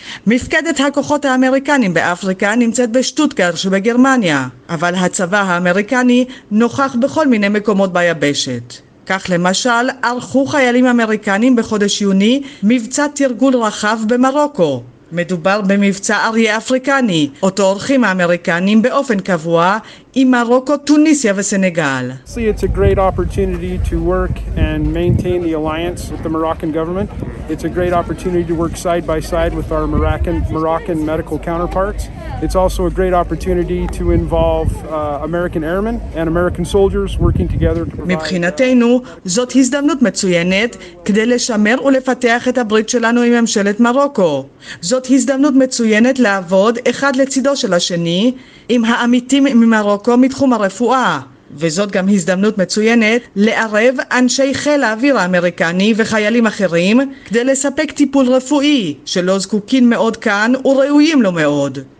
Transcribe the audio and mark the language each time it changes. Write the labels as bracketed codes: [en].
[he] מפקדת הכוחות האמריקנים באפריקה נמצאת בשטוטגרט שבגרמניה, אבל הצבא האמריקני נוכח בכל מיני מקומות ביבשת. כך למשל, ערכו חיילים אמריקנים בחודש יוני מבצע תרגול רחב במרוקו. מדובר במבצע אריה אפריקני, אותו עורכים האמריקנים באופן קבוע עם מרוקו, טוניסיה וסנגל. [en] It's a great opportunity to work and maintain the alliance with the Moroccan government. It's a great opportunity to work side by side with our Moroccan medical counterparts. It's also a great opportunity to involve American airmen and American soldiers working together to provide. [he] מבחינתנו, זאת הזדמנות מצוינת כדי לשמר ולפתח את הברית שלנו עם ממשלת מרוקו. זאת הזדמנות מצוינת לעבוד אחד לצידו של השני עם העמיתים ממרוקו מתחום הרפואה. וזאת גם הזדמנות מצוינת לערב אנשי חיל האוויר האמריקני וחיילים אחרים כדי לספק טיפול רפואי שלא זקוקים מאוד כאן וראויים לו מאוד.